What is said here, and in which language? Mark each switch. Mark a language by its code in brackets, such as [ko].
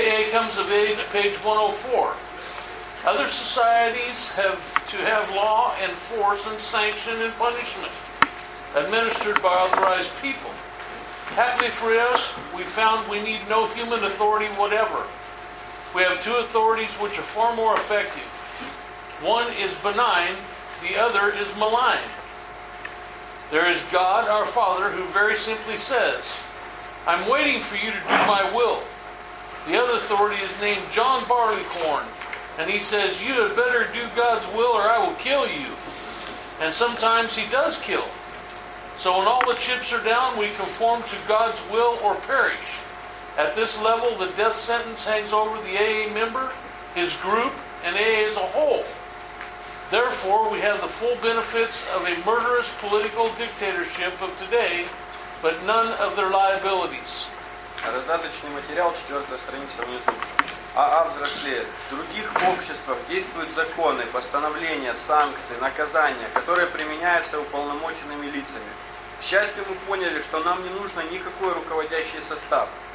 [en] AA comes of age, page 104. Other societies have to have law and force and sanction and punishment. Administered by authorized people. Happily for us, we found we need no human authority whatever. We have two authorities which are far more effective. One is benign, the other is malign. There is God, our Father, who very simply says, I'm waiting for you to do my will. The other authority is named John Barleycorn, and he says, you had better do God's will or I will kill you. And sometimes he does kill. So when all the chips are down, we conform to God's will or perish. At this level, the death sentence hangs over the AA member, his group, and AA as a whole. Therefore, we have the full benefits of a murderous political dictatorship of today, but none of their liabilities. [ru] Раздаточный материал, 4-я страница внизу. АА взрослеет. В других обществах действуют законы, постановления, санкции, наказания, которые применяются уполномоченными лицами. К счастью, мы поняли, что нам не нужно никакой руководящий состав.